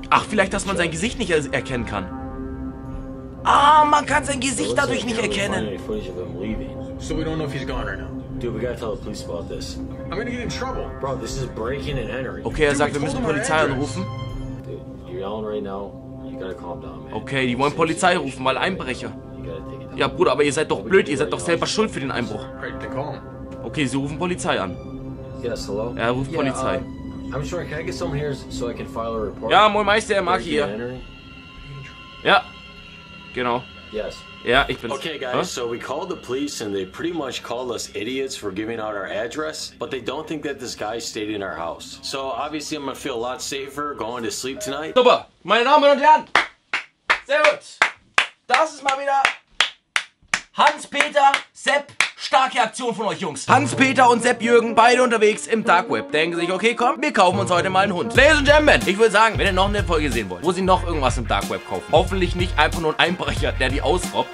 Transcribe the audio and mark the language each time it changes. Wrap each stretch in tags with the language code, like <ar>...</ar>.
<de>Ach, vielleicht, dass man sein Gesicht nicht erkennen kann. Ah, man kann sein Gesicht dadurch nicht erkennen.</de> <en>So we don't know if he's gone right now. Dude, we gotta tell the police about this. I'm gonna get in trouble. Bro, this is breaking and entering.</en> <de>Okay, er sagt, wir müssen Polizei anrufen.</de> <en>Dude, you're yelling right now. You gotta calm down, man.</en> <de>Okay, die wollen Polizei rufen, weil Einbrecher. Ja, Bruder, aber ihr seid doch blöd. Ihr seid doch selber schuld für den Einbruch. Okay, sie rufen Polizei an.</de> <en>Yes, hello?</en> <de>Ja, ruft Polizei.</de> <en>I'm sure, can I get someone here so I can file a report?</en> <de>Ja, moin Meister, Marc hier. Ja, genau.</de> <en>Yes.</en> <de>Ja, ich bin's.</de> <en>Okay, guys, so we called the police and they pretty much called us idiots for giving out our address, but they don't think that this guy stayed in our house. So obviously I'm gonna feel a lot safer going to sleep tonight.</en> <de>Super, meine Damen und Herren. Sehr gut. Das ist mal wieder... Hans-Peter, Sepp, starke Aktion von euch Jungs. Hans-Peter und Sepp Jürgen, beide unterwegs im Dark Web. Denken sich, okay, komm, wir kaufen uns heute mal einen Hund.</de> <en>Ladies and Gentlemen,</en> <de>ich würde sagen, wenn ihr noch eine Folge sehen wollt, wo sie noch irgendwas im Dark Web kaufen, hoffentlich nicht einfach nur ein Einbrecher, der die ausraubt.</de>